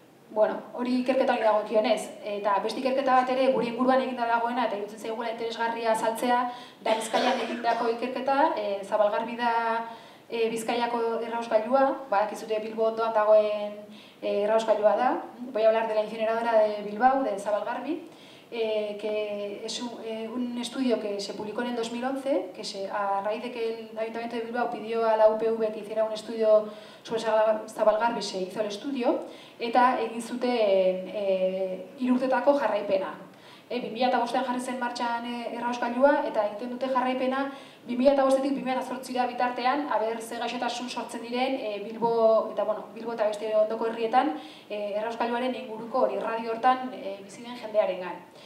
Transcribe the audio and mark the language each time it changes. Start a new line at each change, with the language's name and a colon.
Basque: Bueno, hori ikerketa hori dagokionez, eta beste ikerketa bat ere gure inguruan eginda dagoena eta irutzen zaigula interesgarria azaltzea da Bizkaian egindako ikerketa, Zabalgarbi da Bizkaiako errauskailua, badakizute Bilbo ondoan dagoen errauskailua da.
Spanish: Voy a hablar de la incineradora de Bilbao, de Zabalgarbi, que es un estudio que se publicó en el 2011, que a raíz de que el Ayuntamiento de Bilbao pidió a la UPV que hiciera un estudio sobre Zabalgarbi, se hizo el estudio,
Basque: eta egin zuten irurtetako jarraipena. 2005-an jarri zen martxan errauskailua, eta egiten dute jarraipena 2005-etik 2008-etik bitartean, haber ze gaixotasun sortzen diren Bilbo eta beste ondoko herrietan errauskailuaren inguruko hori radio hortan biziren jendearengan.